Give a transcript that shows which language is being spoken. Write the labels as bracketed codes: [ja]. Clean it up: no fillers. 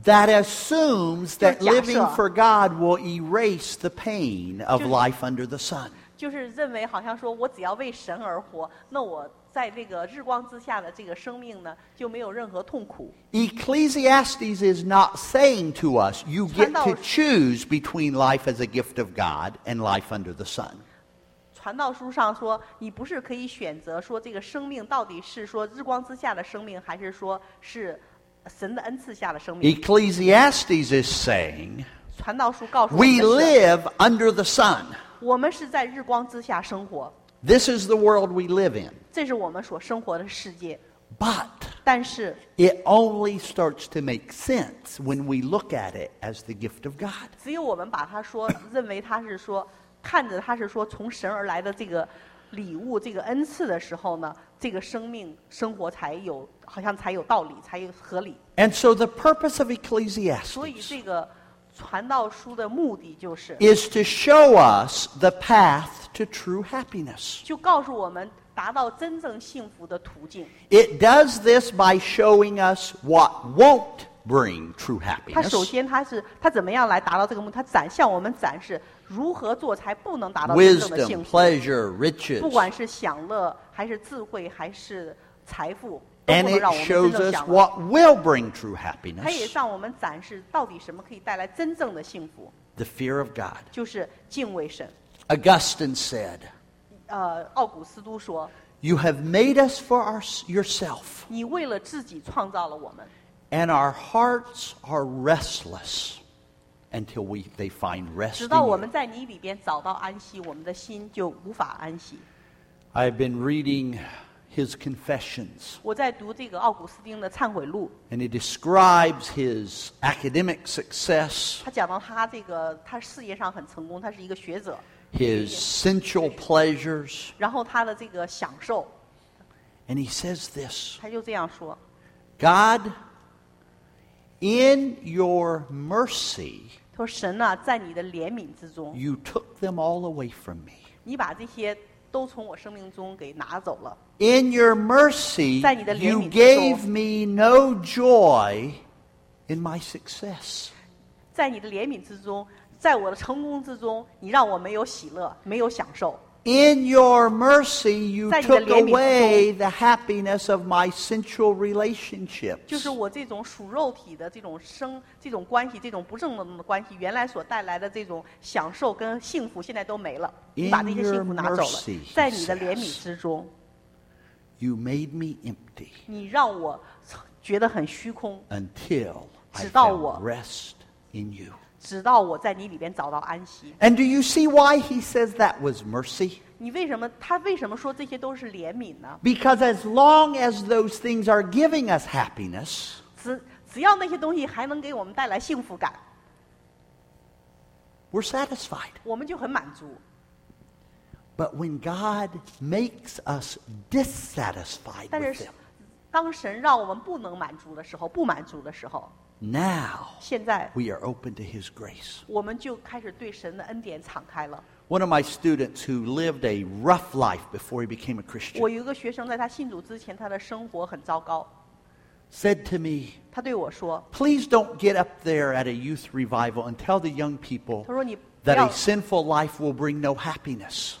[en] That assumes that living for God will erase the pain of life under the sun. [zh] 就是认为好像说我只要为神而活，那我在这个日光之下的这个生命呢，就没有任何痛苦。 [en] Ecclesiastes is not saying to us, you get to choose between life as a gift of God and life under the sun. [zh] 传道书上说，你不是可以选择说这个生命到底是说日光之下的生命，还是说是神的恩赐下的生命。 [en] Ecclesiastes is saying, [zh] 传道书告诉我们 [en] we live under the sun. [zh] 我们是在日光之下生活。 [en] This is the world we live in. [zh] 这是我们所生活的世界。 [en] But, [zh] 但是 [en] it only starts to make sense when we look at it as the gift of God. [zh] 只有我们把它说，认为它是说看着他是说从神而来的这个礼物，这个恩赐的时候呢，这个生命生活才有，好像才有道理，才有合理。 [en] And so the purpose of Ecclesiastes, [zh] 所以这个传道书的目的就是 [en] is to show us the path to true happiness. [zh] 就告诉我们达到真正幸福的途径。 [en] It does this by showing us what won't bring true happiness. [zh] 他首先他怎么样来达到这个目的？他向我们展示。如何做才不能达到真正的幸福？ [en] Wisdom, pleasure, riches, [zh] 不管是享乐还是智慧还是财富，都不能让我们真正享乐。 [en] And it shows us what will bring true happiness. [zh] 它也让我们展示到底什么可以带来真正的幸福。 [en] The fear of God. [zh] 就是敬畏神。 [en] Augustine said, [zh] 奥古斯都说， [en] You have made us for yourself. [zh] 你为了自己创造了我们。 [en] And our hearts are restless. Until they find rest. [zh] 直到我们在你里边找到安息，我们的心就无法安息。 [en] I've been reading his confessions. [zh] 我在读这个奥古斯丁的忏悔录。 [en] And he describes his academic success. [zh] 他讲到他这个他事业上很成功，他是一个学者。 [en] His sensual pleasures. [zh] 然后他的这个享受。 [en] And he says this. [zh] 他就这样说。 [en] God. In your mercy, [zh] 他说神啊，在你的怜悯之中 [en] you took them all away from me. [zh] 你把这些都从我生命中给拿走了 [en] In your mercy, you gave me no joy in my success. [zh] 在你的怜悯之中，在我的成功之中，你让我没有喜乐，没有享受。 [en] In your mercy, you took away the happiness of my sensual relationships. [zh] 就是我这种属肉体的这种生这种关系，这种不正当的关系，原来所带来的这种享受跟幸福，现在都没了。你把那些幸福拿走了。 [en] Mercy, [zh] 在你的怜悯之中 [en] ，You made me empty. [zh] 你让我觉得很虚空。 [en] Until I rest in you. [zh] 直到我在你里边找到安息。 [en] And do you see why he says that was mercy? [zh] 你为什么他为什么说这些都是怜悯呢 [en] ？Because as long as those things are giving us happiness, [zh] 只要那些东西还能给我们带来幸福感 [en] ，we're satisfied. [zh] 我们就很满足。 [en] But when God makes us dissatisfied with them, [zh] 当神让我们不能满足的时候，不满足的时候。 [en] Now, [zh] 现在 [en] we are open to His grace. [zh] 我们就开始对神的恩典敞开了。 [en] One of my students who lived a rough life before he became a Christian. [zh] 我有一个学生在他信主之前，他的生活很糟糕。 [en] Said to me, [zh] 他对我说 [en] ，Please don't get up there at a youth revival and tell the young people. [zh] 他说你 [en] that a sinful life will bring no happiness.